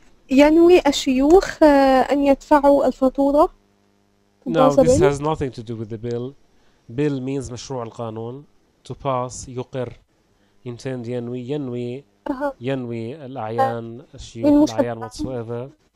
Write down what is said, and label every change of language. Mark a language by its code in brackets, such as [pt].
[ar] ينوي الشيوخ أن يدفعوا الفاتورة. [en] No, this has nothing to do with the bill. Bill means [ar] مشروع القانون. [en] To pass, [ar] يقر. Intend, ينوي الأعيان الشيوخ الأعيان [en] whatsoever.